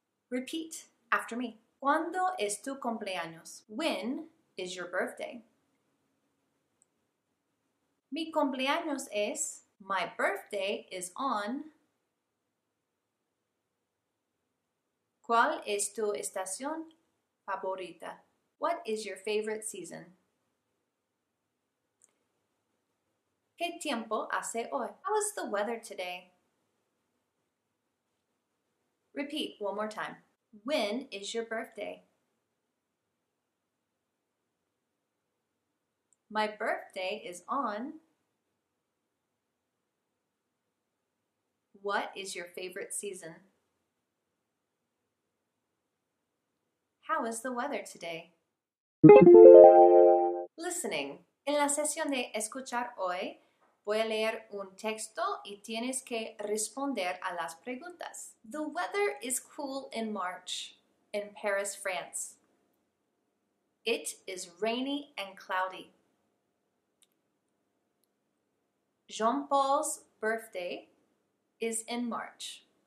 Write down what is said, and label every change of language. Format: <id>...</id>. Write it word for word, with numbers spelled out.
<en>Repeat after me.</en> <es>¿Cuándo es tu cumpleaños?</es> <en>When is your birthday?</en> <es>Mi cumpleaños es.</es> <en>My birthday is on.</en> <es>¿Cuál es tu estación favorita?</es> <en>What is your favorite season?</en> <es>¿Qué tiempo hace hoy?</es> <en>How is the weather today? Repeat one more time. When is your birthday? My birthday is on. What is your favorite season? How is the weather today? Listening.</en> <es>En la sesión de escuchar hoy, voy a leer un texto y tienes que responder a las preguntas.</es> <en>The weather is cool in March in Paris, France. It is rainy and cloudy. Jean-Paul's birthday is in March.</en>